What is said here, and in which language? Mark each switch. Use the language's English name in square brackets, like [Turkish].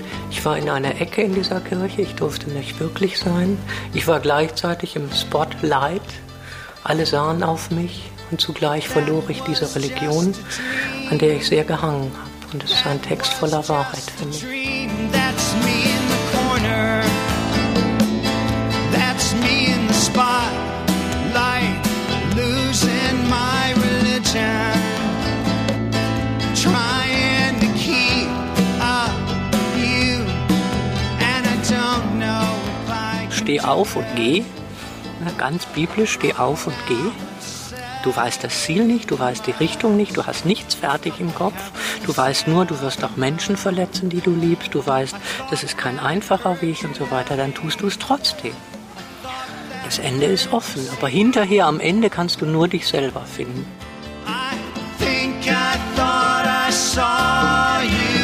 [German] Ich war in einer Ecke in dieser Kirche, ich durfte nicht wirklich sein. Ich war gleichzeitig im Spotlight, alle sahen auf mich und zugleich verlor ich diese Religion, an der ich sehr gehangen habe. Und es ist ein Text voller Wahrheit für mich. [English] That's me in the corner. That's me in the spotlight. Losing my religion. Trying to keep up you. And I don't know if I can. [German] Steh auf und geh. Na, ganz biblisch, steh auf und geh. Du weißt das Ziel nicht, du weißt die Richtung nicht, du hast nichts fertig im Kopf. Du weißt nur, du wirst auch Menschen verletzen, die du liebst. Du weißt, das ist kein einfacher Weg und so weiter. Dann tust du es trotzdem. Das Ende ist offen, aber hinterher am Ende kannst du nur dich selber finden. [English] I think I thought I saw you.